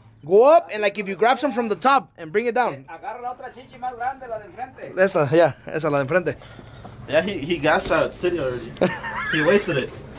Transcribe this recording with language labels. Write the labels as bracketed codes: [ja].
[en] Go up and like if you grab some from the top and bring it down. [es] Agarra la otra chichi más grande, la de enfrente. Esa, ya. Yeah, esa, la de enfrente. [en] Yeah, he got that city already. He wasted it.